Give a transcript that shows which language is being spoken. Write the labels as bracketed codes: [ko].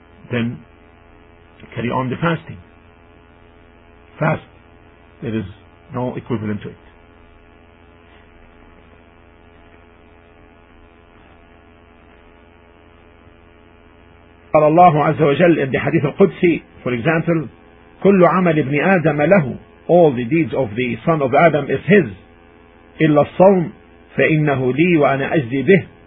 [en] Then carry on the fasting. Fast. There is no equivalent to it. [ar] قال الله عز وجل [en] in the hadith [ar] القدسي, for example, كل عمل ابن آدم له. [en] All the deeds of the son of Adam is his. [ar] إلا الصوم فإنه لي وأنا أجزي به.